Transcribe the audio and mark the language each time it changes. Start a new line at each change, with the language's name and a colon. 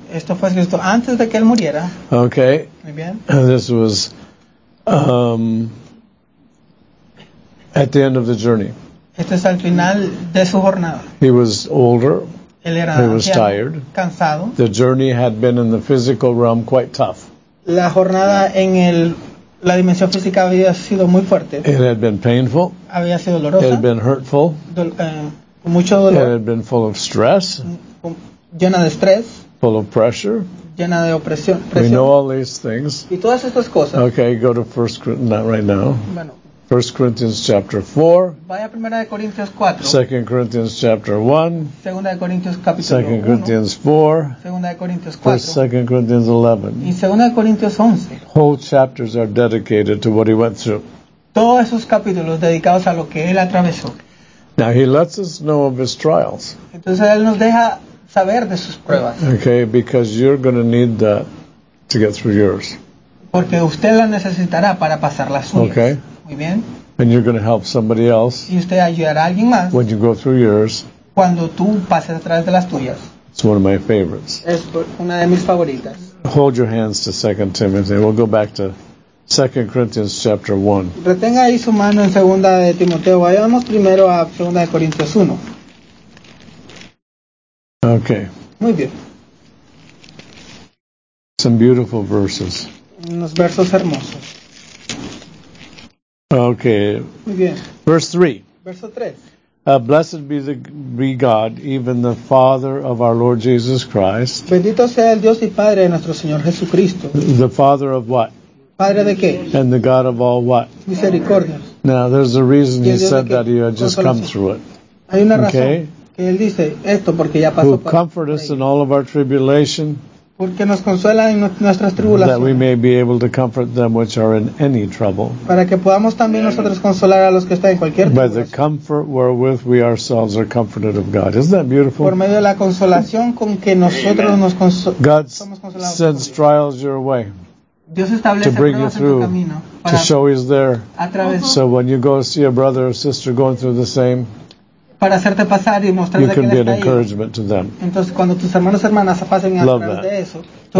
Spanish: Esto fue escrito antes de que él muriera.
English: Okay.
Spanish: Muy bien.
English: This was at the end of the journey.
Spanish: Esto es al final de su jornada.
English: He was older.
Spanish: Él era
English: he was tired.
Spanish: Cansado.
English: The journey had been in the physical realm quite tough.
Spanish: La jornada en el la dimensión física había sido muy fuerte.
English: It had been painful.
Spanish: Había sido dolorosa.
English: It had been hurtful.
Spanish: Con mucho dolor.
English: It had been full of stress.
Spanish: Llena de estrés.
English: Full of pressure.
Spanish: Llena de opresión.
English: We know all these things.
Spanish: Y todas estas cosas.
English: Okay, go to 1 Corinthians, not right now.
Spanish: Bueno.
English: 1 Corinthians chapter 4.
Spanish: Vaya primera de Corintios 4.
English: 2 Corinthians chapter 1.
Spanish: Segunda de Corintios capítulo
English: 1. 2 Corinthians 4.
Spanish: Segunda de Corintios 4.
English: 2 Corinthians 11.
Spanish: Y segunda de Corintios 11.
English: Whole chapters are dedicated to what he went through.
Spanish: Todos esos capítulos dedicados a lo que él atravesó.
English: Now he lets us know of his trials.
Spanish: Entonces él nos deja saber de sus pruebas.
English: Okay, because you're going to need that to get through yours.
Spanish: Porque usted la necesitará para pasar las suyas.
English: Okay.
Spanish: Muy bien.
English: And you're going to help somebody else.
Spanish: Y usted ayudará a alguien más.
English: When you go through yours.
Spanish: Cuando tú pases a través de las tuyas.
English: It's one of my favorites.
Spanish: Es una de mis favoritas.
English: Hold your hands to 2 Timothy. We'll go back to 2 Corinthians chapter 1.
Spanish: Retenga ahí su mano en 2 de Timoteo. Vayamos primero a 2 de Corintios 1.
English: Okay.
Spanish: Muy bien.
English: Some beautiful verses.
Spanish: Unos versos hermosos.
English: Okay. Verse 3. Blessed be the be God, even the Father of our Lord Jesus Christ.
Spanish: Bendito sea el Dios y Padre de nuestro Señor Jesucristo.
English: The Father of what?
Spanish: Padre de qué?
English: And the God of all what?
Spanish: Misericordia.
English: Now, there's a reason he said that. He had just come through it.
Spanish: Hay una razón que él dice esto porque ya pasó.
English: Who comfort us in all of our tribulation?
Spanish: Porque nos consuela en nuestras tribulaciones.
English: That we may be able to comfort them which are in any trouble. Para que podamos también nosotros consolar a los que están en cualquier tribulación. By the comfort wherewith we ourselves are comforted of God. Isn't that beautiful?
Spanish: Por medio de la consolación con que nosotros nos consolamos.
English: God sends trials your way.
Spanish: Dios establece pruebas en tu camino.
English: To show he's there.
Spanish: A través.
English: So when you go see a brother or sister going through the same.
Spanish: Para hacerte pasar y mostrarte
English: you can be an encouragement to them.
Spanish: Entonces, cuando tus hermanos y hermanas pasen a través de eso, tú